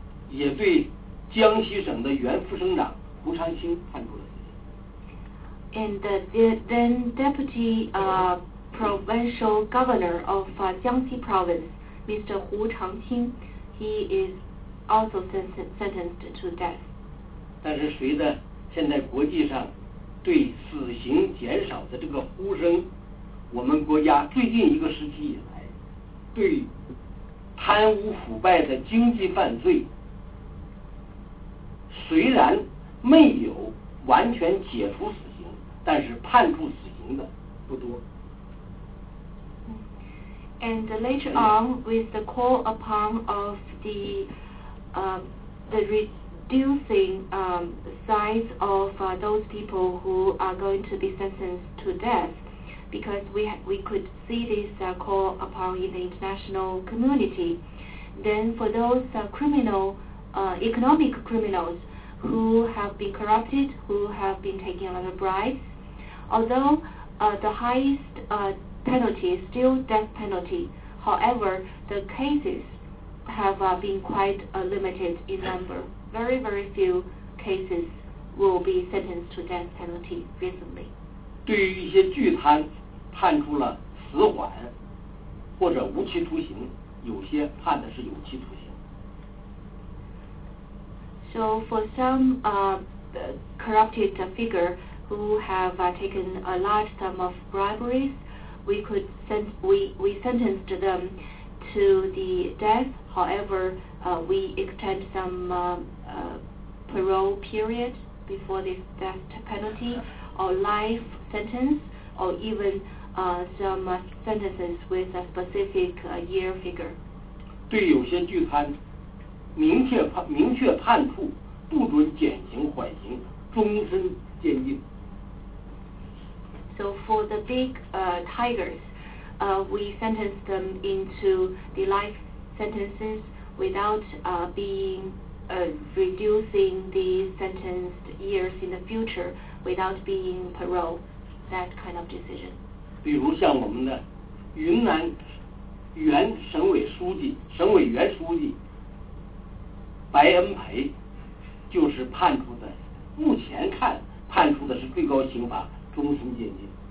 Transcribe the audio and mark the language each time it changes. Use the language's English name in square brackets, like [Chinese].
[Chinese] 也对江西省的原副省长胡长清判处了。 [English] And the then deputy Provincial Governor of Jiangxi Province, Mr. Hu Changqing, he is also sentenced to death. [Chinese] 但是随着现在国际上对死刑减少的这个呼声，我们国家最近一个时期以来对贪污腐败的经济犯罪虽然没有完全解除死刑，但是判处死刑的不多。 [English] And later on, with the call upon of the reducing size of those people who are going to be sentenced to death, because we could see this call upon in the international community, then for those economic criminals who have been corrupted, who have been taking a lot of bribes, although the highest penalty is still death penalty. However, the cases have been quite limited in number. Very, very few cases will be sentenced to death penalty recently. [Chinese] 对于一些巨贪判处了死缓或者无期徒刑，有些判的是有期徒刑。 [English] So for some corrupted figure who have taken a large sum of briberies, we sentenced them to the death However, we extend some parole period before the death penalty, or life sentence, or even some sentences with a specific year figure. [Chinese] 对有些拒判，明确判处，不准减刑、缓刑、终身监禁。 [English] So for the big tigers, we sentence them into the life sentences without being reducing the sentenced years in the future without being parole. That kind of decision. [Chinese] 比如像我们的云南原省委书记、省委原书记白恩培，就是判处的，目前看判处的是最高刑罚终身监禁。